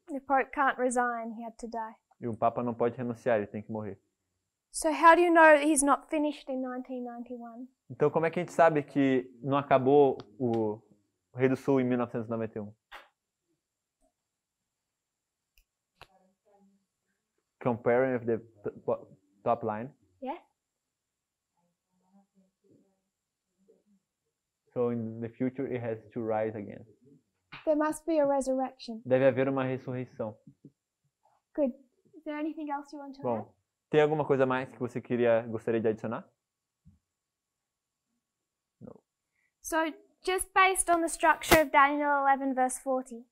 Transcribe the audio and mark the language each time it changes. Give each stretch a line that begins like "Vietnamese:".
English: The Pope can't resign, he had to die.
Portuguese: E o Papa não pode renunciar, ele tem que morrer.
English: So how do you know that he's not finished in 1991?
Portuguese: Então como é que a gente sabe que não acabou o Rei do Sul em 1991?
English: Comparing with the top line. Yeah. So in the future it has to rise again. There must be a resurrection.
Portuguese: Deve haver uma ressurreição.
English: Good. Is there anything else you want to
Portuguese: Bom,
English: add?
Portuguese: Tem alguma coisa mais que você gostaria de adicionar?
English: No. So, just based on the structure of Daniel 11, verse 40.